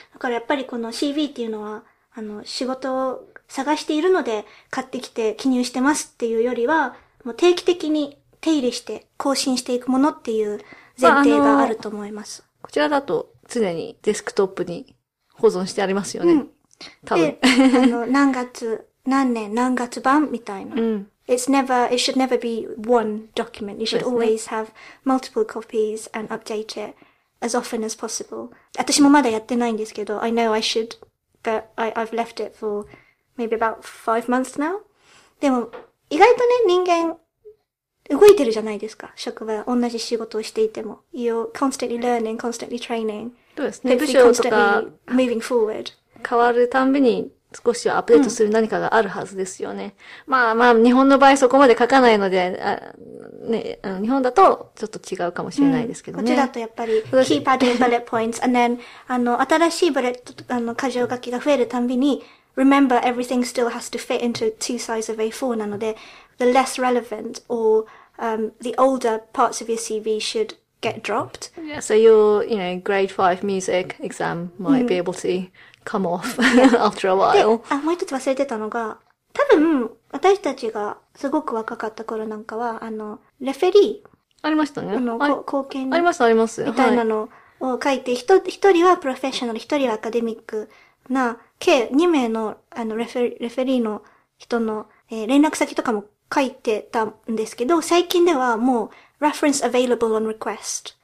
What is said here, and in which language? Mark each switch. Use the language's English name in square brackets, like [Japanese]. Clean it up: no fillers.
[Japanese] だからやっぱりこの CV っていうのは、仕事を探しているので買ってきて記入してますっていうよりは、もう定期的に手入れして更新していくものっていう前提があると思います。まあこちらだと常にデスクトップに保存してありますよね。うん、多分。何月、何年、何月版みたいな。うん、 [English] it should never be one document. You should always have multiple copies and update it as often as possible. [Japanese] 私もまだやってないんですけど、 [English] I know I should, but I've left it for maybe about 5 months now. [Japanese] でも、意外とね、人間、動いてるじゃないですか。職場、同じ仕事をしていても。 [English] You're constantly learning, constantly training. [Japanese] そうですね。部署とか、 [English] moving forward. [Japanese] 変わるたんびに少しはアップデートする何かがあるはずですよね。うん、まあまあ、日本の場合そこまで書かないので、ね、あの日本だとちょっと違うかもしれないですけどね。うん、こっちだとやっぱり、 [English] keep adding bullet points, and then, [Japanese] あの、新しいブレット、あの、箇条書きが増えるたびに、 [English] remember everything still has to fit into two sides of A4 [Japanese] なので、 [English] the less relevant or、the older parts of your CV should get dropped. Yeah, so your, you know, grade 5 music exam might、 [Japanese] うん、 [English] be able to come off after a while. [Japanese] あ、もう一つ忘れてたのが、多分、私たちがすごく若かった頃なんかは、あの、レフェリー。ありましたね。あの、貢献。あります、あります。みたいなのを書いて、一人はプロフェッショナル、一人はアカデミックな、計二名の、あの、レフェリーの人の、連絡先とかも書いてたんですけど、最近ではもう、 [English] reference available on request。